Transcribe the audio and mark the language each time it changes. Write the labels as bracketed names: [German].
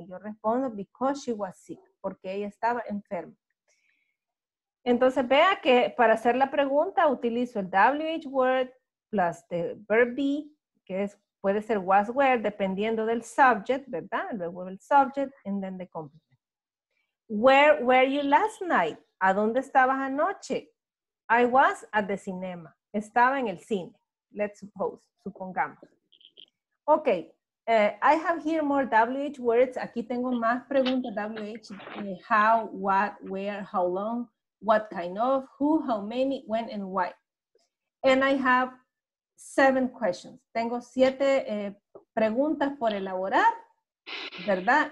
[Spanish] Y yo respondo, [English] because she was sick, [Spanish] porque ella estaba enferma. Entonces, vea que para hacer la pregunta utilizo el WH word [English] plus the verb be, [Spanish] que es, puede ser was, where, dependiendo del subject, ¿verdad? [English] Luego el subject and then the complement. Where were you last night? [Spanish] ¿A dónde estabas anoche? [English] I was at the cinema. [Spanish] Estaba en el cine. [English] Let's suppose, [Spanish] supongamos. [English] Ok, I have here more WH words. [Spanish] Aquí tengo más preguntas WH. [English] How, what, where, how long, what kind of, who, how many, when and why. And I have 7 questions. [Spanish] Tengo 7 preguntas por elaborar, ¿verdad?